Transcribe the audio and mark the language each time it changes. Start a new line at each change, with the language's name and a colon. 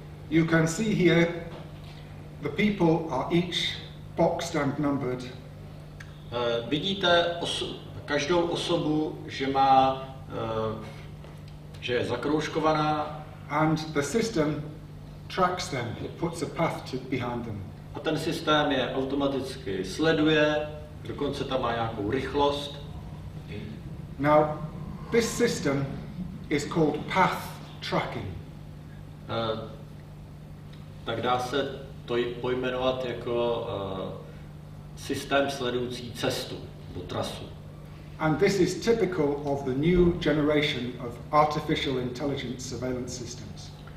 English: You can see here the people are each boxed and numbered.
Czech: Vidíte každou osobu, že má že je zakroužkovaná.
English: And the system tracks them. It puts a path to behind them.
Czech: A ten systém je automaticky sleduje, dokonce tam má nějakou rychlost.
English: Now, this system is called path tracking.
Czech: Tak dá se to pojmenovat jako systém sledující cestu nebo trasu.
English: And this is typical of the new generation of artificial intelligence surveillance systems.